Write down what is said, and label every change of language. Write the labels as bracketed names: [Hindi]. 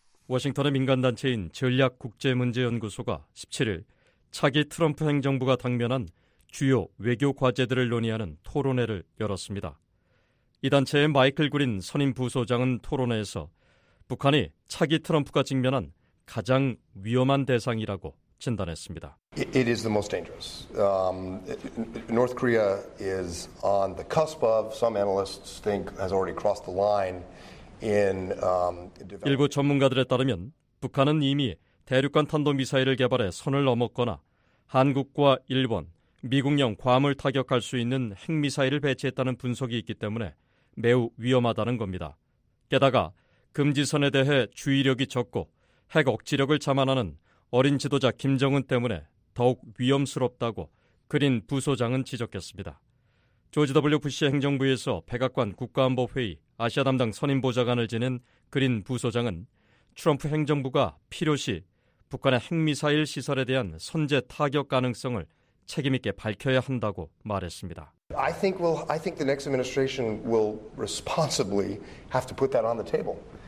[Korean] 워싱턴의 민간단체인 전략국제문제연구소가 17일 차기 트럼프 행정부가 당면한 주요 외교 과제들을 논의하는 토론회를 열었습니다. 이 단체의 마이클 그린 선임 부소장은 토론회에서 북한이 차기 트럼프가 직면한 가장 위험한 대상이라고 진단했습니다. [English] It is the most dangerous. North Korea is on the cusp of, some analysts think has already crossed the line in developing. [Korean] 일부 전문가들에 따르면 북한은 이미 대륙간 탄도미사일을 개발해 선을 넘었거나 한국과 일본, 미국령 괌을 타격할 수 있는 핵미사일을 배치했다는 분석이 있기 때문에 매우 위험하다는 겁니다. 게다가 금지선에 대해 주의력이 적고 핵 억지력을 자만하는 어린 지도자 김정은 때문에 더욱 위험스럽다고 그린 부소장은 지적했습니다. 조지 W. 부시 행정부에서 백악관 국가안보회의 아시아 담당 선임보좌관을 지낸 그린 부소장은 트럼프 행정부가 필요시 북한의 핵미사일 시설에 대한 선제 타격 가능성을 책임 있게 밝혀야 한다고 말했습니다. [English] I think the next administration will responsibly have to put that on the table.